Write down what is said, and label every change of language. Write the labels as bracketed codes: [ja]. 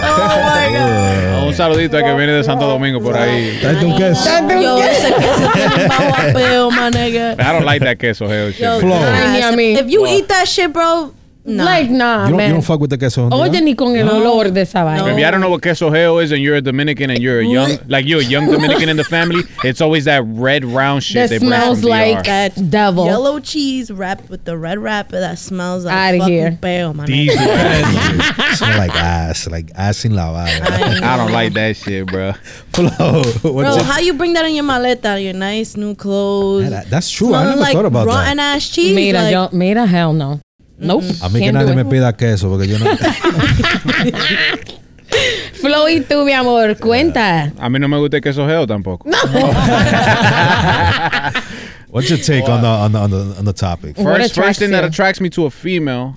[es] Un saludito a que viene de Santo Domingo por ahí. Tráete un queso. Yo, ese queso tiene pa' guapeo, [en] my nigga. I don't like that queso gel. Yo, if you eat that shit, bro, nah. Like, nah, man. You don't fuck with the queso. [es] Oye, ni con el olor de esa vaina. [en] Maybe I don't know what queso gel is and you're a Dominican and you're a young, like you're a young Dominican in the family. It's always that red round shit that smells like that devil. Yellow cheese wrapped with the red wrapper that smells like fucking [es] peo, [en] my nigga. These smell like ass. Like ass in lavada. I don't like that shit, bro. Flo, bro, how you bring that in your maleta? Your nice new clothes. That's true. I never thought about that. Smelling like rotten ass cheese. Mira, hell no. Nope. [es] A mí que nadie me pida queso porque yo no. Flo, y tú, mi amor, cuenta. A mí no me gusta el queso geo tampoco. No. [en] What's your take on the topic? First thing that attracts me to a female.